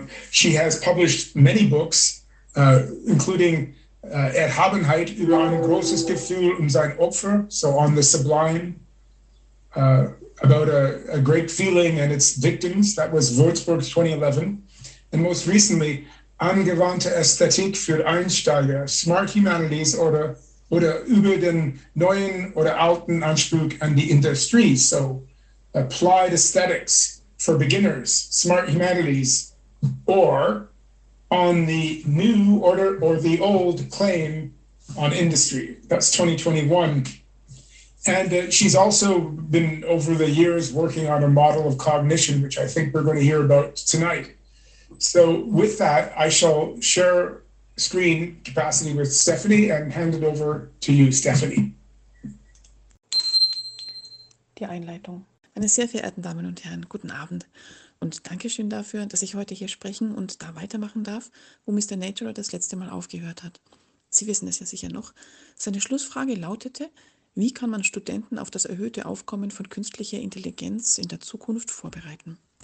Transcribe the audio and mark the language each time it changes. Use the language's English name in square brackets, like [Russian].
[English] She has published many books, including [German] Erhabenheit über ein großes Gefühl um sein Opfer, [English] so on the sublime, about a great feeling and its victims. That was Würzburg 2011. And most recently, [German] Angewandte Ästhetik für Einsteiger, Smart Humanities oder über den neuen oder alten Anspruch an die Industrie. [English] So Applied Aesthetics for Beginners, Smart Humanities, or on the new order or the old claim on industry. That's 2021. And she's also been over the years working on a model of cognition, which I think we're going to hear about tonight. So with that, I shall share screen capacity with Stephanie and hand it over to you, Stephanie. [German] Die Einleitung. Meine sehr verehrten Damen und Herren, guten Abend. Und Dankeschön dafür, dass ich heute hier sprechen und da weitermachen darf, wo Mr. Naturer das letzte Mal aufgehört hat. Sie wissen es ja sicher noch. Seine Schlussfrage lautete: Wie kann man Studenten auf das erhöhte Aufkommen von künstlicher Intelligenz in der Zukunft vorbereiten?